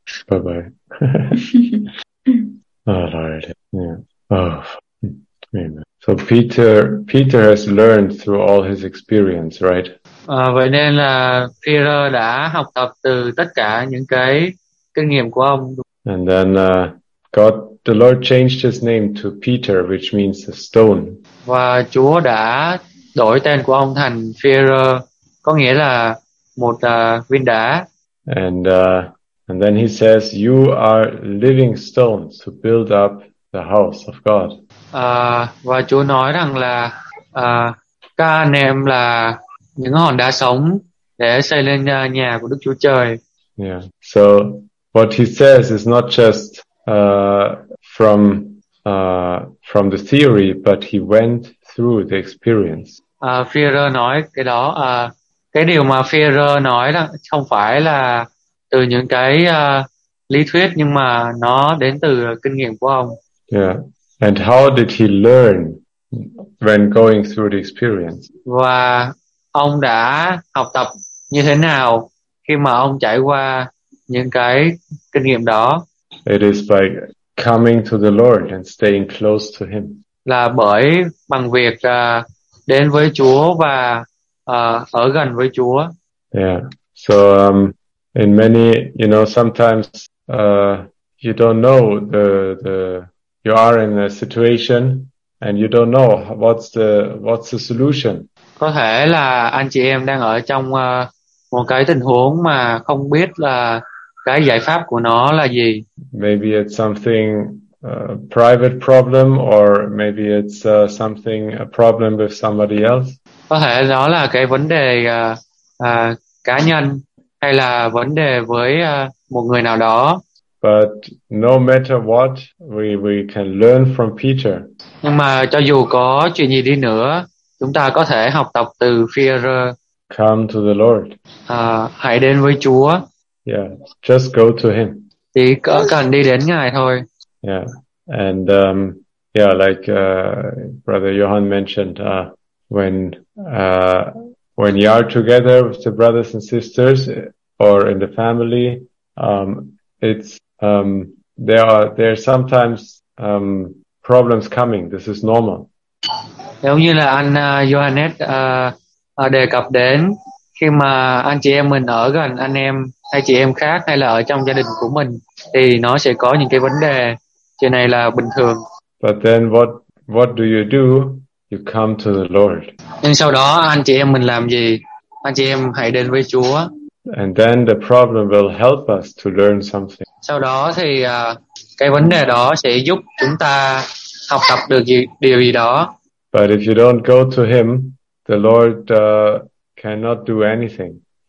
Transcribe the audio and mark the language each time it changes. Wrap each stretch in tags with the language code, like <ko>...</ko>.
<en>Bye bye. Alright. Yeah. Oh. Amen. So Peter has learned through all his experience, right?</en> <vi>Vậy nên là Peter đã học tập từ tất cả những cái kinh nghiệm của ông.</vi> <en>And then the Lord changed his name to Peter, which means the stone.</en> <vi>Và Chúa đã đổi tên của ông thành Peter, có nghĩa là một viên đá.</vi> <en>And then he says, "You are living stones to build up the house of God."</en> <vi>Và Chúa nói rằng là các anh em là những hòn đá sống để xây lên nhà của Đức Chúa Trời.</vi> <en>Yeah. So what he says is not just from the theory, but he went through the experience.</en> <vi>Phi-rơ nói cái đó, cái điều mà Phi-rơ nói là không phải là từ những cái lý thuyết, nhưng mà nó đến từ kinh nghiệm của ông.</vi> <en>Yeah. And how did he learn when going through the experience?</en> <vi>Và ông đã học tập như thế nào khi mà ông trải qua những cái kinh nghiệm đó?</vi> <en>It is by coming to the Lord and staying close to him.</en> <vi>Là bởi bằng việc đến với Chúa và ở gần với Chúa.</vi> <en>Yeah. So in many, you know, sometimes you don't know you are in a situation and you don't know what's the solution.</en> <vi>Có thể là anh chị em đang ở trong một cái tình huống mà không biết là cái giải pháp của nó là gì.</vi> <en>Maybe it's something private problem, or maybe it's something a problem with somebody else.</en> <vi>Có thể đó là cái vấn đề cá nhân hay là vấn đề với một người nào đó.</vi> <en>But no matter what, we can learn from Peter.</en> <vi>Nhưng mà cho dù có chuyện gì đi nữa, chúng ta có thể học tập từ Peter.</vi> <en>Come to the Lord.</en> <vi>Hãy đến với Chúa.</vi> <en>Yeah, just go to him.</en> <vi>Chỉ có cần đi đến Ngài thôi.</vi> <en>Yeah, and yeah, like Brother Johan mentioned, when you are together with the brothers and sisters or in the family, there are sometimes problems coming. This is normal.</en> <vi>Giống như là anh Johannes đề cập đến, khi mà anh chị em mình ở gần anh em hay chị em khác hay là ở trong gia đình của mình thì nó sẽ có những cái vấn đề. Chuyện này là bình thường.</vi> <en>But then what do you do? You come to the Lord.</en> <vi>Nhưng sau đó anh chị em mình làm gì? Anh chị em hãy đến với Chúa.</vi> <en>And then the problem will help us to learn something.</en> <vi>Sau đó thì cái vấn đề đó sẽ giúp chúng ta học tập được điều gì đó.</vi> <en>But if you don't go to him, the Lord cannot do anything.</en>